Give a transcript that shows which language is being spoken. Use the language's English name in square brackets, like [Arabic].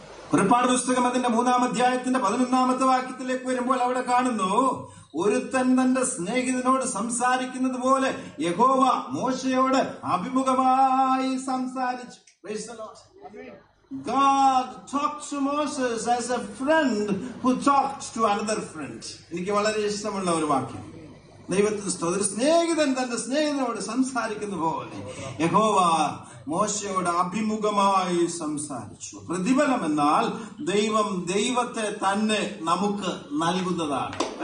[Malayalam] പുറപ്പാട് പുസ്തകം അതിന്റെ 3-ാം അധ്യായത്തിന്റെ 11-ാമത്തെ വാക്യത്തിലേക്ക് വരുമ്പോൾ അവിടെ കാണുന്നു, ഒരുത്തൻ തന്റെ സ്നേഹിതനോട് സംസാരിക്കുന്നത് പോലെ യഹോവ മോശയോട് അഭിമുഖമായി സംസാരിച്ചു. [English] Praise the Lord. God talked to Moses as a friend who talked to another friend. [Malayalam] എനിക്ക് വളരെ ഇഷ്ടമുള്ള ഒരു വാക്യം. ദൈവത്തിന്റെ സ്നേഹിതൻ തന്റെ സ്നേഹിതനോട് സംസാരിക്കുന്ന പോലെ യഹോവ മോശയോട് അഭിമുഖമായി സംസാരിച്ചു. പ്രതിഫലം എന്നാൽ ദൈവം ദൈവത്തെ തന്നെ നമുക്ക് നൽകുന്നതാണ്.